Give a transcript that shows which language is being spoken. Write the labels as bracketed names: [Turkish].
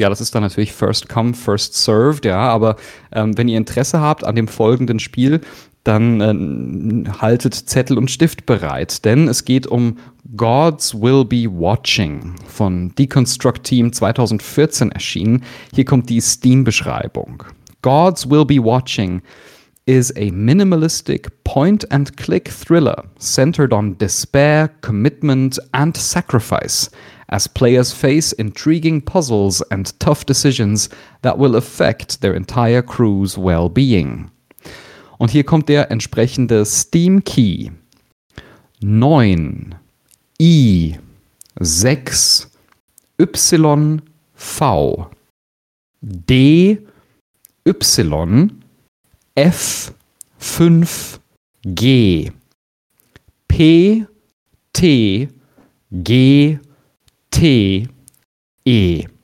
[German] Ja, das ist dann natürlich [English] first come, first served, [German] ja, aber wenn ihr Interesse habt an dem folgenden Spiel, dann haltet Zettel und Stift bereit, denn es geht um Gods Will Be Watching von Deconstruct Team 2014 erschienen. Hier kommt die Steam-Beschreibung. [English] Gods Will Be Watching is a minimalistic point-and-click thriller centered on despair, commitment and sacrifice as players face intriguing puzzles and tough decisions that will affect their entire crew's well-being. [German] Und hier kommt der entsprechende Steam Key. 9 I 6 Y V D Y F 5 G P T G T E.